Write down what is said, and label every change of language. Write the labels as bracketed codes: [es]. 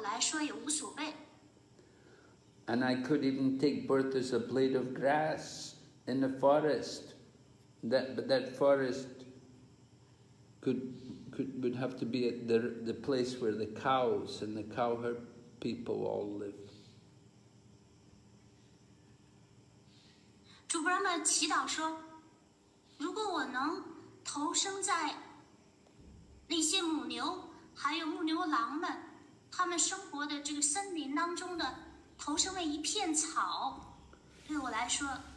[zh] 即便我出生为动物的躯体，但是只要我能够从事于对你的奉爱服务，那么对我来说也无所谓。 [en] And I could even take birth as a blade of grass in the forest, but that forest would have to be at the place where the cows and the cowherd people all live. [zh] Lord Brahma 祈祷说，如果我能投生在那些母牛还有牧牛郎们他们生活的这个森林当中的，投生为一片草，对我来说。